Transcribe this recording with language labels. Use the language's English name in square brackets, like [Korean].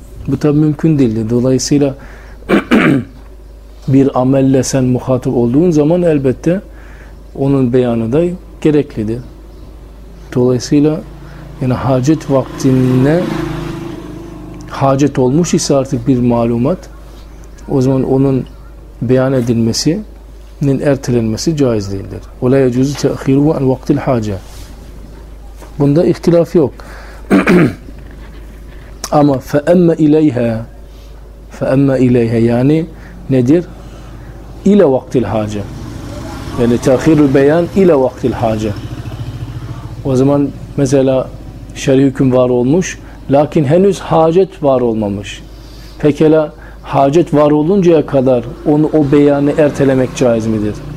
[Turkish] Bu tabii mümkün değildi. Dolayısıyla bir amelle sen muhatap olduğun zaman elbette onun beyanı da gereklidir. Dolayısıyla yani hacet vaktine hacet olmuş ise artık bir malumat, o zaman onun beyan edilmesinin ertelenmesi caiz değildir. [Arabic] وَلَا يَجُوزُ تَأْخِيرُهُ عَنْ وَقْتِ الْحَاجَةِ, [Turkish] bunda ihtilaf yok. Ama [Arabic] فَأَمَّ اِلَيْهَا, فَأَمَّ اِلَيْهَا, [Turkish] yani nedir? [Arabic] اِلَى وَقْتِ الْحَاجَةِ, [Turkish] yani [Arabic] تَأْخِيرُ الْبَيَانِ اِلَى وَقْتِ الْحَاجَةِ. [Turkish] O zaman mesela şer'i hüküm var olmuş lakin henüz hacet var olmamış. Pekala, hacet var oluncaya kadar onu, o beyanı ertelemek caiz midir?